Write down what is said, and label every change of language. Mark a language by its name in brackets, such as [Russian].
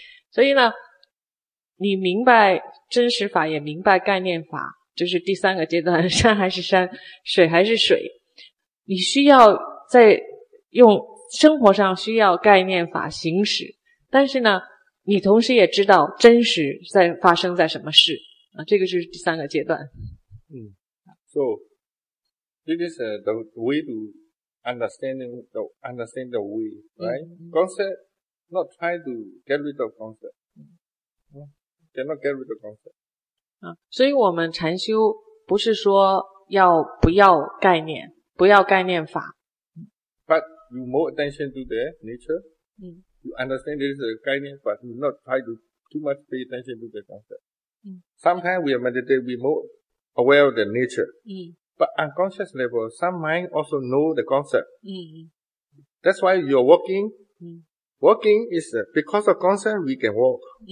[Chinese] 所以呢，你明白真实法，也明白概念法，就是第三个阶段，山还是山，水还是水。你需要在用生活上需要概念法行使，但是呢，你同时也知道真实在发生在什么事啊，这个是第三个阶段。 [English] So this is the way to understand the way, right? Concept, not try to get rid of concept. cannot get rid of concept. [Chinese] 所以我们禅修不是说要不要概念，不要概念法。 [English] But you more attention to the nature. You understand there is a 概念 but you not try to too much pay attention to the concept. Sometimes we are meditate, we more aware of the nature. But unconscious level, some mind also know the concept. That's why you're walking. Walking is because of concept we can walk.